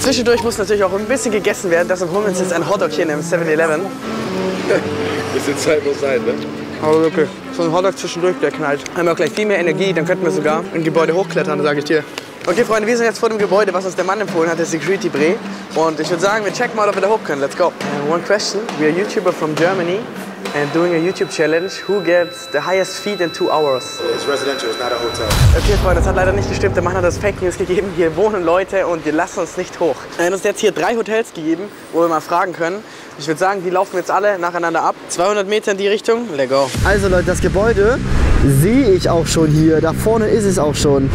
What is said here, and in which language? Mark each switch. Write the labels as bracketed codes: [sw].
[de] Zwischendurch muss natürlich auch ein bisschen gegessen werden, deshalb holen wir uns jetzt einen Hotdog hier in einem 7-Eleven. Bisschen Zeit muss sein, ne? Aber okay. Wirklich, so ein Hotdog zwischendurch, der knallt. Haben wir auch gleich viel mehr Energie, dann könnten wir sogar ein Gebäude hochklettern, sage ich dir. Okay, Freunde, wir sind jetzt vor dem Gebäude, was uns der Mann empfohlen hat, der Security Bre. Und ich würde sagen, wir checken mal, ob wir da hoch können. [en] Let's go. One question, we are YouTuber from Germany. And doing a YouTube challenge, who gets the highest feed in 2 hours? It's residential, it's not a hotel. [de] Okay, Freunde, das hat leider nicht gestimmt. Der Mann hat das Fake News gegeben. Hier wohnen Leute und die lassen uns nicht hoch. Er hat uns jetzt hier 3 Hotels gegeben, wo wir mal fragen können. Ich würde sagen, die laufen jetzt alle nacheinander ab. 200 Meter in die Richtung, [en] let's go. [de] Also Leute, das Gebäude sehe ich auch schon hier. Da vorne ist es auch schon.